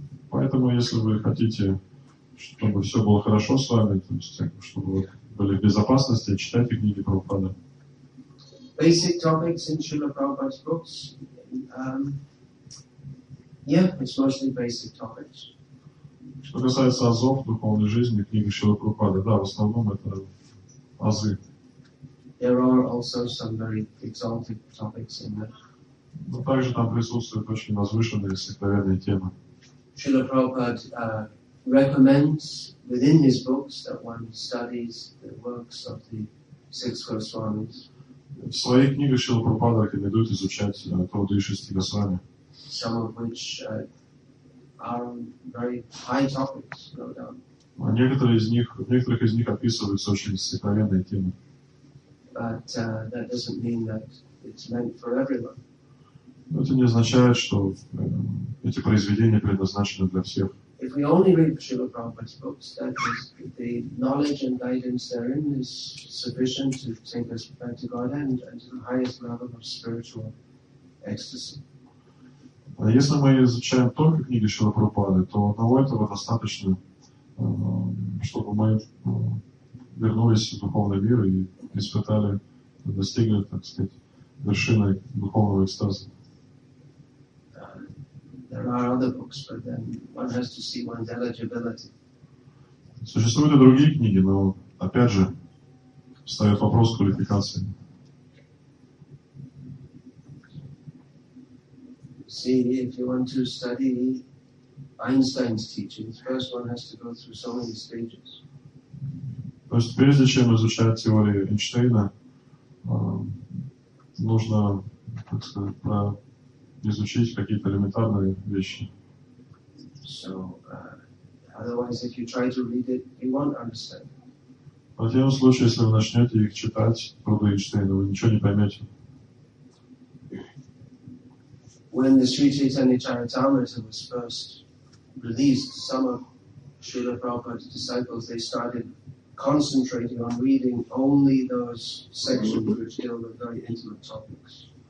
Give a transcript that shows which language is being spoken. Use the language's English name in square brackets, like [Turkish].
[Russian] Поэтому, если вы хотите, чтобы все было хорошо с вами, то есть, чтобы были в безопасности, читайте книги Прабхупады. [English] Basic topics in Srila Prabhupada's books. Yeah, it's mostly basic topics. [Russian] Что касается азов духовной жизни, книги Шрилы Прабхупады, да, в основном это азы. [English] There are also some very exalted topics in there. [Russian] Но также там присутствуют очень возвышенные сокровенные темы. [English] Srila Prabhupada recommends within his books that one studies the works of the six Goswamis. [Russian] В своих книгах Шрила Прабхупада рекомендует изучать труды шести Госвами. [English] Some of which are very high topics, no doubt. [Russian] А некоторые из них, в некоторых из них описываются очень сокровенные темы. [English] But that doesn't mean that it's meant for everyone. [Russian] Но это не означает, что эти произведения предназначены для всех. [English] If we only read Srila Prabhupada's books, that is, the knowledge and guidance therein is sufficient to take us back to God and to the highest level of spiritual ecstasy. [Russian] Если мы изучаем только книги Шрилы Прабхупады, то одного этого достаточно, чтобы мы вернулись в духовный мир и испытали, достигли, так сказать, вершины духовного экстаза. [English] There are other books, but then one has to see one's eligibility. [Russian] Существуют и другие книги, но опять же встает вопрос квалификации. [English] See, if you want to study Einstein's teachings, first one has to go through so many stages. [Russian] То есть прежде чем изучать теорию Эйнштейна, нужно, так сказать, про изучить какие-то элементарные вещи. [English] So, otherwise, if you try to read it, you won't understand. [Russian] В противном случае, если вы начнете их читать, труды Эйнштейна, вы ничего не поймете. [English] When the Sri Chaitanya Charitamrita was first released, some of Srila Prabhupada's disciples, they started concentrating on reading only those sections which deal with very intimate topics.